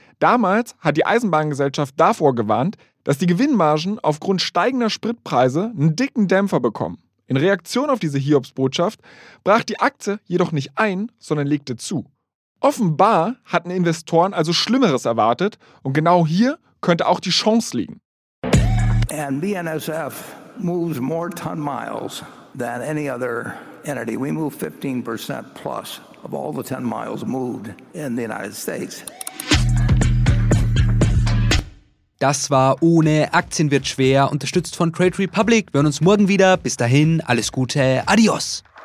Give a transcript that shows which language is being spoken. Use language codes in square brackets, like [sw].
[de] Damals hat die Eisenbahngesellschaft davor gewarnt, dass die Gewinnmargen aufgrund steigender Spritpreise einen dicken Dämpfer bekommen. In Reaktion auf diese Hiobsbotschaft brach die Aktie jedoch nicht ein, sondern legte zu. Offenbar hatten Investoren also Schlimmeres erwartet und genau hier könnte auch die Chance liegen. [en] And BNSF moves more ton miles than any other entity. We move 15% plus of all the 10 miles moved in the United States. [de] Das war Ohne Aktien wird schwer, unterstützt von Trade Republic. Wir hören uns morgen wieder. Bis dahin, alles Gute. Adios.